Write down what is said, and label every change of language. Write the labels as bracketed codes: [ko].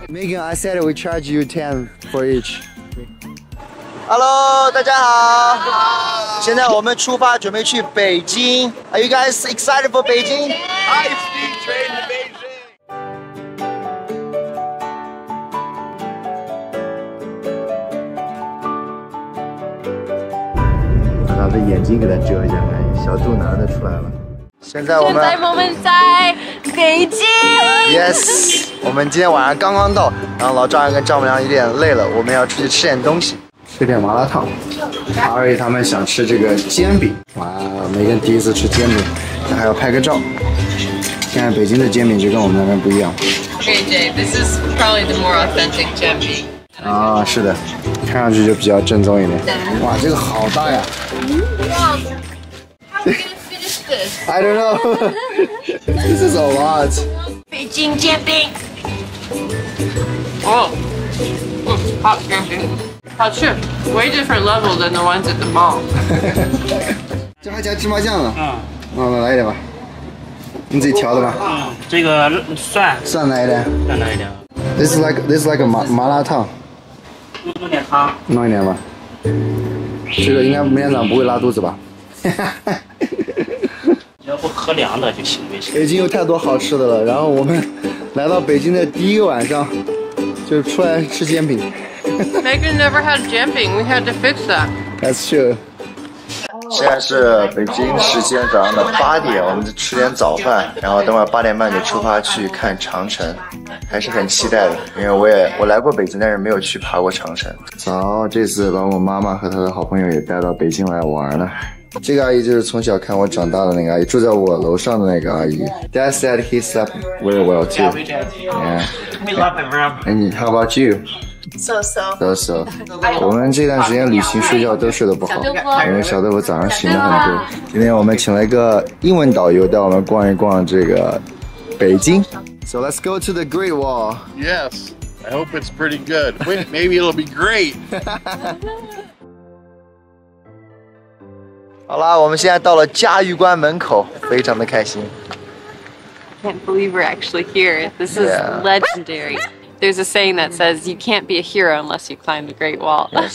[en] Megan, I said we charge you 10 for each. [zh] Hello, 大家好。现在我们出发准备去北京。 [en] Are you guys excited for Beijing? High speed train to Beijing. [zh] 把眼睛给它遮一下，哎，小肚腩都出来了。现在我们在北京。 Yes， 我们今天晚上刚刚到，然后老丈人跟丈母娘有点累了，我们要出去吃点东西，吃点麻辣烫。阿瑞他们想吃这个煎饼。哇，梅根第一次吃煎饼，那还要拍个照。现在北京的煎饼就跟我们那边不一样。 [en] KJ, this is probably the more authentic 煎饼. [zh] 啊，是的，看上去就比较正宗一点。哇，这个好大呀！ [en] How are we gonna finish this? I don't know. This is a [zh] lot. 北京煎饼。哦，好煎饼，好吃 [en] ，way different level than the ones at the mall. [zh] 这还加芝麻酱呢。嗯。那来一点吧，你自己调的吧。这个蒜。蒜来一点。蒜来一点。 [en] This is like a 麻辣烫。 [zh] 弄点汤，弄一点吧。这个应该明天早上不会拉肚子吧？要不喝凉的就行呗。北京有太多好吃的了，然后我们来到北京的第一个晚上，就出来吃煎饼。 [en] Megan never had 煎饼 ，we had to fix that. That's true. [zh] 现在是北京时间早上的8点，我们就吃点早饭，然后等会8点半就出发去看长城。还是很期待的，因为我来过北京，但是没有去爬过长城。早，这次把我妈妈和她的好朋友也带到北京来玩了。这个阿姨就是从小看我长大的那个阿姨，住在我楼上的那个阿姨。 [en] Dad said he slept very well too. Yeah, we love the room. And how about you? So. [zh] 我们这段时间旅行睡觉都睡得不好，因为小豆腐早上醒了很多。今天我们请了一个英文导游带我们逛一逛这个北京。 [en] So let's go to the Great Wall. Yes, I hope it's pretty good. Wait, maybe it'll be great. [zh] 好啦，我们现在到了嘉峪关门口，非常的开心。 [en] I can't believe we're actually here. This is legendary. There's a saying that says you can't be a hero unless you climb the Great Wall.